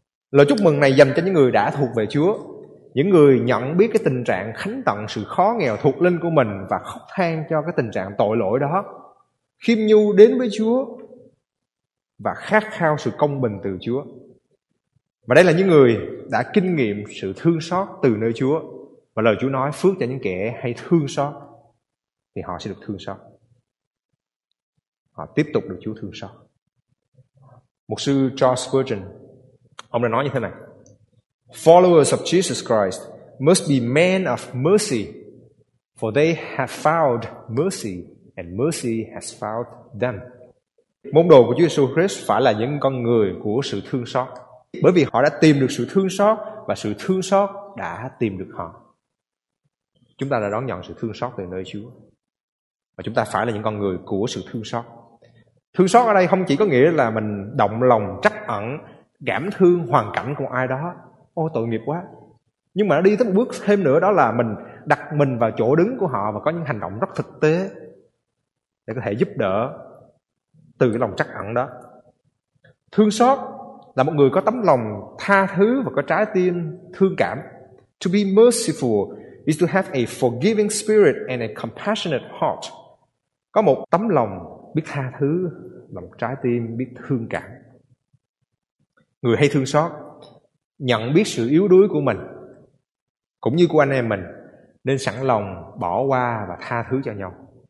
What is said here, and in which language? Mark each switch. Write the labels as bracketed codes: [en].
[vi] Lời chúc mừng này dành cho những người đã thuộc về Chúa, những người nhận biết cái tình trạng khánh tận sự khó nghèo thuộc linh của mình và khóc than cho cái tình trạng tội lỗi đó, khiêm nhu đến với Chúa và khát khao sự công bình từ Chúa. Và đây là những người đã kinh nghiệm sự thương xót từ nơi Chúa. Và lời Chúa nói phước cho những kẻ hay thương xót thì họ sẽ được thương xót. Họ tiếp tục được Chúa thương xót. Mục sư Charles Spurgeon, ông đã nói như thế này: [en] Followers of Jesus Christ must be men of mercy, for they have found mercy and mercy has found them. [vi] Môn đồ của Chúa Jesus Christ phải là những con người của sự thương xót, bởi vì họ đã tìm được sự thương xót và sự thương xót đã tìm được họ. Chúng ta đã đón nhận sự thương xót từ nơi Chúa và chúng ta phải là những con người của sự thương xót. Thương xót ở đây không chỉ có nghĩa là mình động lòng trắc ẩn, cảm thương hoàn cảnh của ai đó, ôi tội nghiệp quá, nhưng mà nó đi tới một bước thêm nữa, đó là mình đặt mình vào chỗ đứng của họ và có những hành động rất thực tế để có thể giúp đỡ từ cái lòng trắc ẩn đó. Thương xót là một người có tấm lòng tha thứ và có trái tim thương cảm. [en] To be merciful is to have a forgiving spirit and a compassionate heart. [vi] Có một tấm lòng biết tha thứ và một trái tim biết thương cảm. Người hay thương xót nhận biết sự yếu đuối của mình cũng như của anh em mình, nên sẵn lòng bỏ qua và tha thứ cho nhau.